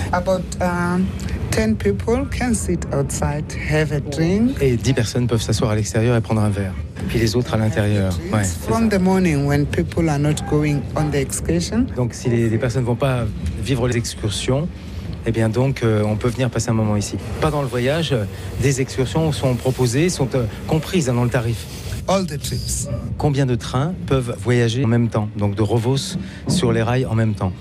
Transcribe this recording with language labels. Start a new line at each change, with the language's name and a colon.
English: About 10 people can sit outside, have a drink.
French: Et 10 personnes peuvent s'asseoir à l'extérieur et prendre un verre. Et puis les autres à l'intérieur. Ouais,
English: from
French: ça.
English: The morning when people are not going on the excursion.
French: Donc si les personnes vont pas vivre les excursions, eh bien donc on peut venir passer un moment ici. Pas dans le voyage, des excursions sont proposées, sont comprises dans le tarif.
English: All the trips.
French: Combien de trains peuvent voyager en même temps, donc de Rovos sur les rails en même temps?